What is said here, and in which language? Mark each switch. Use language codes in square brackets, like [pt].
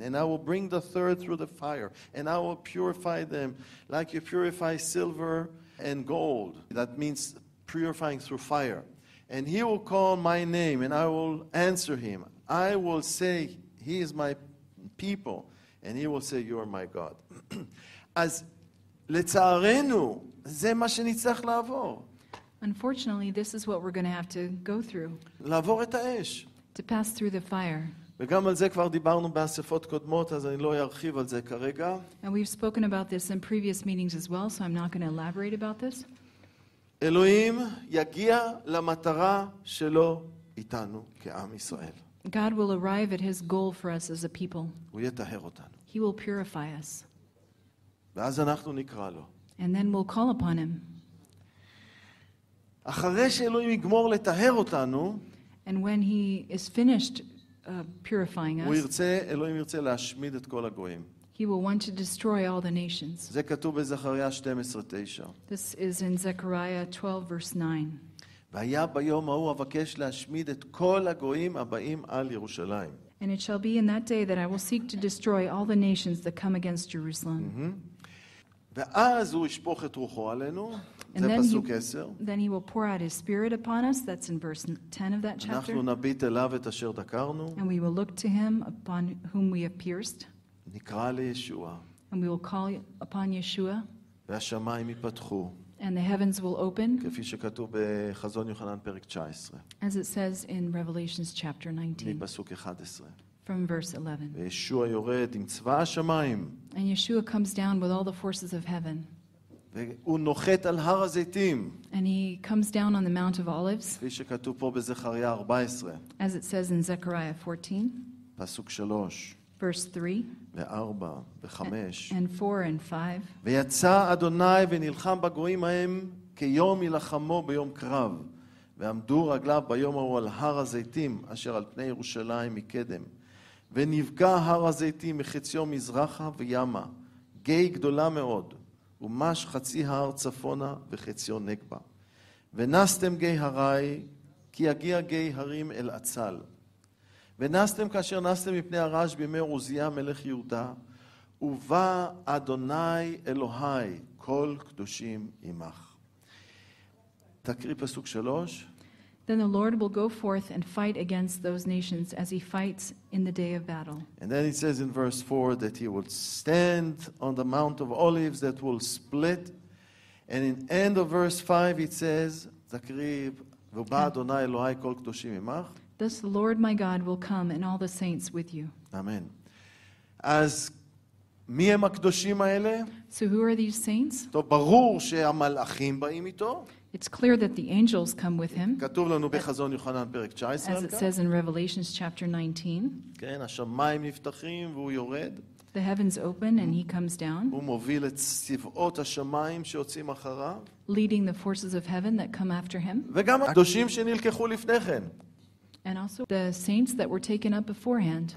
[en] And I will bring the third through the fire, and I will purify them like you purify silver and gold. That means purifying through fire. And he will call my name, and I will answer him. I will say, he is my people, and he will say, you are my God. [he] אז לצערנו, זה מה שנצטרך לעבור. [en] Unfortunately, this is what we're going to have to go through. [he] לעבור את האש. [en] To pass through the fire. [he] וגם על זה כבר דיברנו באספות קודמות, אז אני לא ארחיב על זה כרגע. [en] And we've spoken about this in previous meetings as well, so I'm not going to elaborate about this. [he] אלוהים יגיע למטרה שלו איתנו כעם ישראל. [en] God will arrive at his goal for us as a people. [he] הוא יטהר אותנו. [en] He will purify us. [he] ואז אנחנו נקרא לו. [en] And then we'll call upon him. [he] אחרי שאלוהים יגמור לטהר אותנו, [en] and when he is finished purifying us, [he] הוא ירצה, אלוהים ירצה להשמיד את כל הגויים. [en] He will want to destroy all the nations. [he] זה כתוב בזכריה 12:9. [en] This is in Zechariah 12 verse 9. [he] והיה ביום ההוא אבקש להשמיד את כל הגויים הבאים על ירושלים. [en] And it shall be in that day that I will seek to destroy all the nations that come against Jerusalem. [he] ואז הוא ישפוך את רוחו עלינו. [en] And then he will pour out his spirit upon us. That's in verse 10 of that chapter. [he] אנחנו נביט אליו את אשר דקרנו. [en] And we will look to him upon whom we have pierced. [he] נקרא לישוע. [en] And we will call upon Yeshua. [he] והשמיים יפתחו. [en] And the heavens will open. [he] כפי שכתוב בחזון יוחנן פרק 19. [en] As it says in Revelation chapter 19. [he] מפסוק 11. [en] From verse 11. [he] וישוע יורד עם צבא השמיים. [en] And Yeshua comes down with all the forces of heaven. [he] והוא נוחת על הר הזיתים. [en] And he comes down on the Mount of Olives. [he] כפי שכתוב פה בזכריה 14. [en] As it says in Zechariah 14. [he] פסוק 3. [en] Verse 3. [he] ו-4 ו-5. [en] And 4 and 5. [he] ויצא אדוני ונלחם בגויים ההם כיום ילחמו ביום קרב. ועמדו רגליו ביום ההוא על הר הזיתים אשר על פני ירושלים מקדם. ונפגע הר הזיתים מחציו מזרחה וימה. גיא גדולה מאוד. ומש חצי הר צפונה וחציו נגבה. ונסתם גיא הרי, כי יגיע גיא הרים אל עצל. ונסתם כאשר נסתם מפני הרש בימי עוזיה מלך יהודה, ובא אדוני אלוהי כל קדושים עמך. תקריא פסוק 3. [en] Then the Lord will go forth and fight against those nations as he fights in the day of battle. And then it says in verse 4 that he will stand on the Mount of Olives that will split. And in end of verse 5 it says, Zakrib, [he] Vuba Adonai Elohai Kol Kedoshim Imach. [en] Thus the Lord my God will come and all the saints with you. [he] Amen. As מי הם הקדושים האלה? [en] So who are these saints? [he] טוב, ברור שהמלאכים באים איתו. [en] It's clear that the angels come with him. [he] כתוב לנו בחזון יוחנן פרק 19. [en] As it says in Revelation chapter 19. [he] כן, השמיים נפתחים והוא יורד. [en] The heavens open and he comes down. [he] הוא מוביל את צבאות השמיים שיוצאים אחריו. [en] Leading the forces of heaven that come after him. [he] וגם הקדושים שנלקחו לפני כן. [en] And also the saints that were taken up beforehand.